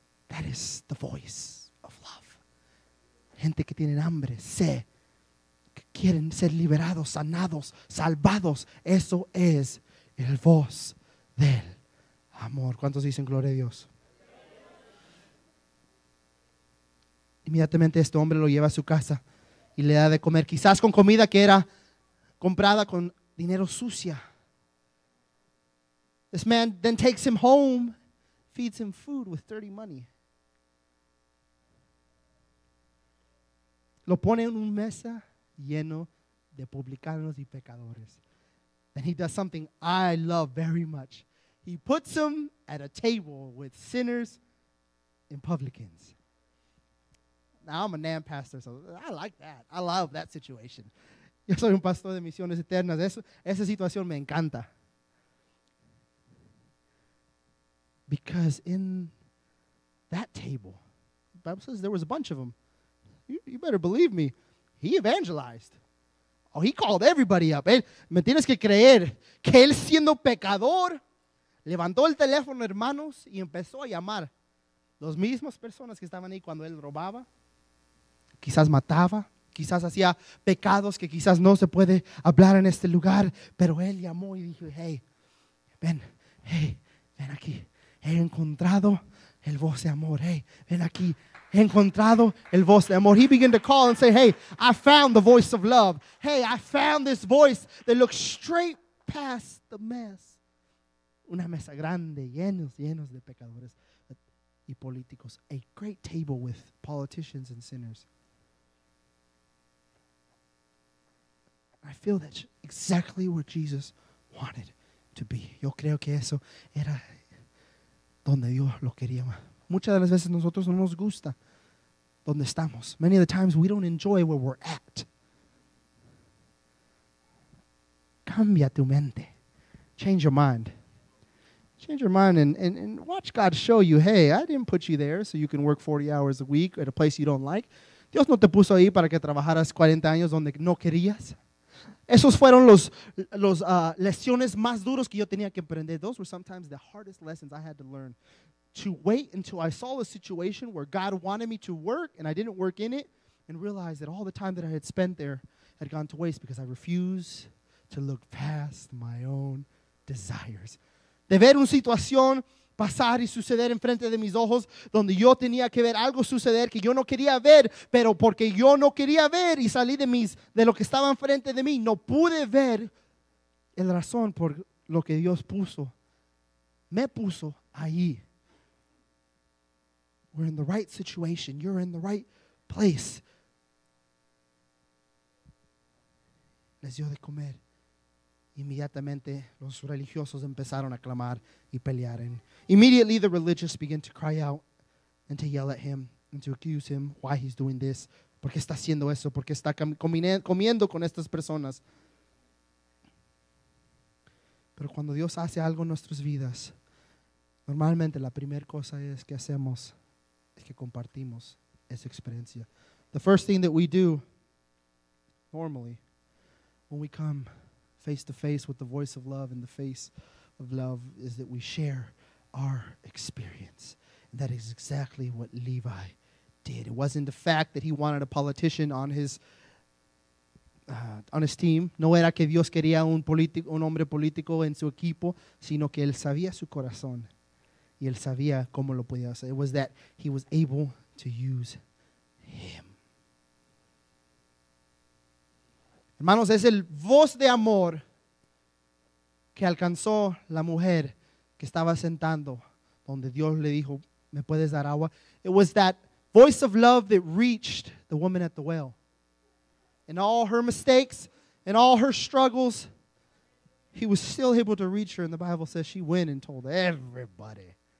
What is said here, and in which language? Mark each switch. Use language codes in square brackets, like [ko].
[en] That is the voice of love. [es] Gente que tienen hambre, sé, que quieren ser liberados, sanados, salvados. Eso es el voz del amor. ¿Cuántos dicen gloria a Dios? Inmediatamente este hombre lo lleva a su casa y le da de comer, quizás con comida que era comprada con dinero sucia. [en] This man then takes him home, feeds him food with dirty money. [es] Lo pone en una mesa lleno de publicanos y pecadores. [en] Then he does something I love very much. He puts him at a table with sinners and publicans. Now I'm a NAM pastor, so I like that. I love that situation. [es] Yo soy un pastor de misiones eternas. Esa situación me encanta. [en] Because in that table, the Bible says there was a bunch of them. you better believe me, he evangelized. Oh, he called everybody up. [es] Me tienes que creer que él siendo pecador, levantó el teléfono, hermanos, y empezó a llamar las mismas personas que estaban ahí cuando él robaba, quizás mataba, quizás hacía pecados que quizás no se puede hablar en este lugar, pero él llamó y dijo, hey, ven, hey, ven aquí, he encontrado el voz de amor, hey, ven aquí, he encontrado el voz de amor. [en] He began to call and say, hey, I found the voice of love. Hey, I found this voice that looks straight past the mess. [es] Una mesa grande, llenos de pecadores y políticos. [en] A great table with politicians and sinners. I feel that's exactly where Jesus wanted to be. [es] Yo creo que eso era donde Dios lo quería más. Muchas de las veces nosotros no nos gusta donde estamos. [en] Many of the times we don't enjoy where we're at. [es] Cambia tu mente. [en] Change your mind. Change your mind and watch God show you, hey, I didn't put you there so you can work 40 hours a week at a place you don't like. [es] Dios no te puso ahí para que trabajaras 40 años donde no querías. Esos fueron los lecciones más duros que yo tenía que aprender. [en] Those were sometimes the hardest lessons I had to learn. To wait until I saw a situation where God wanted me to work and I didn't work in it and realized that all the time that I had spent there had gone to waste because I refused to look past my own desires. [es] De ver una situación pasar y suceder enfrente de mis ojos donde yo tenía que ver algo suceder que yo no quería ver, pero porque yo no quería ver y salí de lo que estaba enfrente de mí, no pude ver el razón por lo que Dios puso, me puso ahí. [en] We're in the right situation. You're in the right place. [es] Les dio de comer. Inmediatamente los religiosos empezaron a clamar y pelear. [en] And immediately the religious began to cry out and to yell at him and to accuse him why he's doing this. [es] ¿Por qué está haciendo eso? ¿Por qué está comiendo con estas personas? Pero cuando Dios hace algo en nuestras vidas, normalmente la primera cosa es que hacemos que compartimos esa experiencia. [en] The first thing that we do normally when we come face to face with the voice of love in the face of love is that we share our experience. And that is exactly what Levi did. It wasn't the fact that he wanted a politician on his team. [es] No era que Dios quería un hombre político en su equipo, sino que él sabía su corazón. Y él sabía cómo lo podía hacer. [en] It was that he was able to use him. [es] Hermanos, es el voz de amor que alcanzó la mujer que estaba sentando donde Dios le dijo, ¿me puedes dar agua? [en] It was that voice of love that reached the woman at the well. In all her mistakes, in all her struggles, he was still able to reach her. And the Bible says she went and told everybody.